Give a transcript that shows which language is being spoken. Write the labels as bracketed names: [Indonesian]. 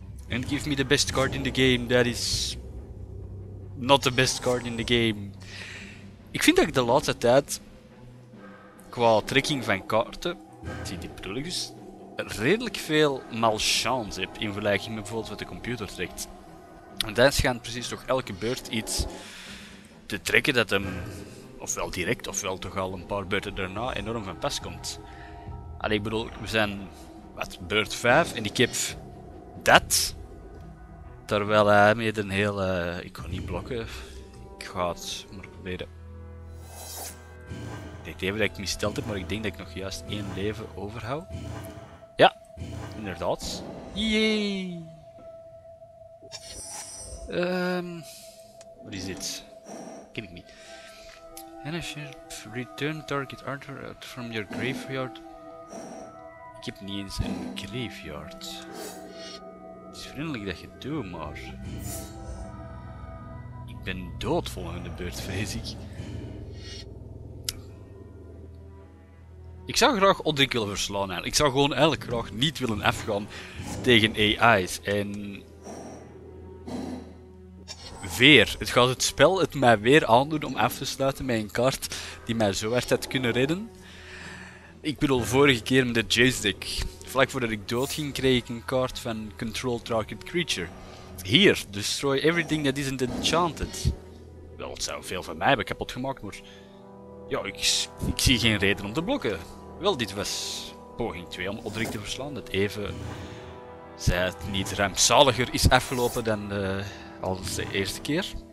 [English] And give me the best card in the game, that is not the best card in the game. [Dutch] Ik vind dat ik de laatste tijd, qua trekking van kaarten, zie die bedoel ik dus, redelijk veel malchance heb in vergelijking met bijvoorbeeld wat de computer trekt. En dan schijnt precies toch elke beurt iets te trekken dat hem, ofwel direct ofwel toch al een paar beurten daarna, enorm van pas komt. Allee, ik bedoel, we zijn, wat, beurt 5 en ik heb dat. Terwijl hij met een hele... Ik ga niet blokken. Ik ga het maar proberen. Ik denk even dat ik misteld heb, maar ik denk dat ik nog juist 1 leven overhoud. Ja, inderdaad. Yay! Wat is dit? Ken ik niet. [English] Hennership, return target Arthur from your graveyard. [Dutch] Ik heb niet eens een graveyard. Het is vriendelijk dat je het doet, maar... Ik ben dood volgende beurt, vrees ik. Ik zou graag Odrik willen verslaan, eigenlijk. Ik zou gewoon eigenlijk graag niet willen afgaan tegen AI's. En... Weer. Het gaat het spel het mij weer aandoen om af te sluiten met een kaart die mij zo hard had kunnen redden. Ik bedoel, vorige keer met de Jace deck. Vlak voordat ik dood ging, kreeg ik een kaart van Control Target Creature. [English] Hier, destroy everything that isn't enchanted. [Dutch] Wel, het zou veel van mij hebben kapot gemaakt, maar... Ja, ik zie geen reden om te blokken. Wel, dit was poging 2 om Odrik te verslaan. Dat even zij het niet rampzaliger is afgelopen dan als de eerste keer.